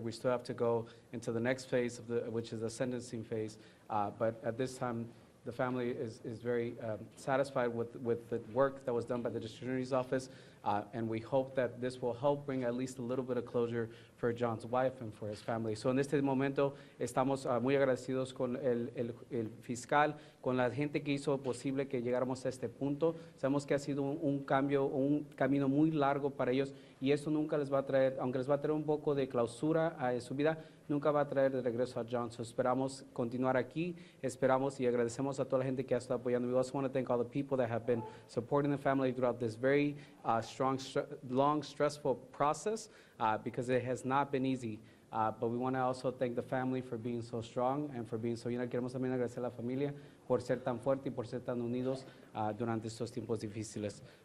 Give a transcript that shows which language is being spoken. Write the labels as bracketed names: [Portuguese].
[English] We still have to go into the next phase, which is the sentencing phase, but at this time, the family is very satisfied with the work that was done by the district attorney's office, and we hope that this will help bring at least a little bit of closure for John's wife and for his family. [Spanish] So en este momento estamos muy agradecidos con el fiscal, con la gente que hizo posible que llegáramos a este punto. Sabemos que ha sido un camino muy largo para ellos, y eso nunca les va a traer, aunque les va a traer un poco de clausura a su vida, nunca va a traer de regreso a John. So esperamos continuar aquí, esperamos y agradecemos a toda la gente que ha estado apoyando. [English] We also want to thank all the people that have been supporting the family throughout this very strong, long, stressful process, because it has not been easy. But we want to also thank the family for being so strong and for being so unido. [Spanish] Queremos también agradecer a la familia por ser tan fuerte y por ser tan unidos durante estos tiempos difíciles.